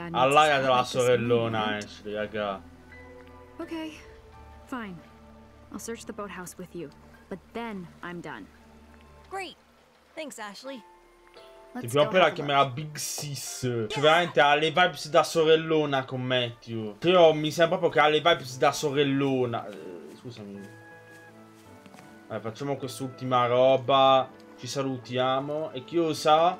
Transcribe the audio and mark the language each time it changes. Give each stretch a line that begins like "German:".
Italian: Allaga della sorellona, Ashley, raga.
English: Okay. Fine. I'll search the boathouse with you, but then I'm done. Great. Thanks, Ashley.
Italian: Ti prima appena chiamerà Big Sis. Cioè, veramente ha le vibes da sorellona con Matthew. Però mi sembra proprio che ha le vibes da sorellona. Scusami. Vabbè, facciamo quest'ultima roba. Ci salutiamo. È chiusa?